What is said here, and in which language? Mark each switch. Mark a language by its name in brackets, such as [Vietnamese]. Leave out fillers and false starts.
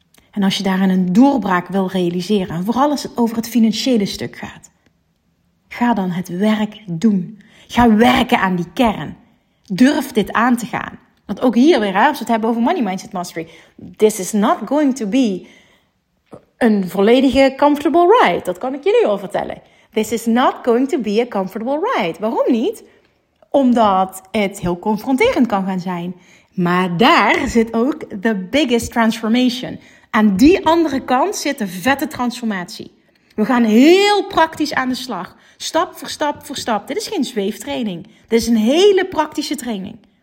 [Dutch] En als je daarin een doorbraak wil realiseren, en vooral als het over het financiële stuk gaat, ga dan het werk doen. Ga werken aan die kern. Durf dit aan te gaan. Want ook hier weer, als we het hebben over Money Mindset Mastery, [English] this is not going to be [Dutch] een volledige [English] comfortable ride. [Dutch] Dat kan ik je nu al vertellen. [English] This is not going to be a comfortable ride. [Dutch] Waarom niet? Omdat het heel confronterend kan gaan zijn. Maar daar zit ook [English] the biggest transformation. [Dutch] Aan die andere kant zit de vette transformatie. We gaan heel praktisch aan de slag. Stap voor stap voor stap. Dit is geen zweeftraining. Dit is een hele praktische training.